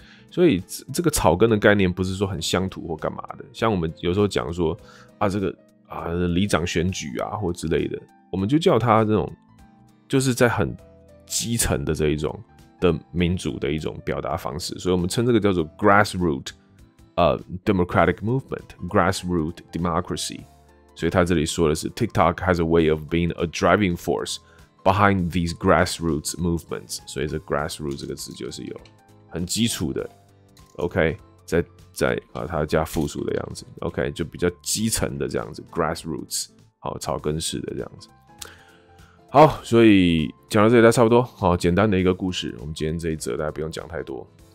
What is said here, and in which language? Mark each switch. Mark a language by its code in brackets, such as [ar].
[zh] 所以这个草根的概念不是说很乡土或干嘛的，像我们有时候讲说啊这个啊里长选举啊或之类的，我们就叫他这种就是在很基层的这一种的民主的一种表达方式，所以我们称这个叫做 grassroot。 [en] Democratic movement, grassroots democracy. [zh] 所以他这里说的是 [en] TikTok has a way of being a driving force behind these grassroots movements. [zh] 所以这 grassroots 这个词就是有很基础的 ，OK， 在啊，它加复数的样子 ，OK， 就比较基层的这样子 ，grassroots， 好，草根式的这样子。好，所以讲到这里，大家差不多，好，简单的一个故事，我们今天这一则大家不用讲太多。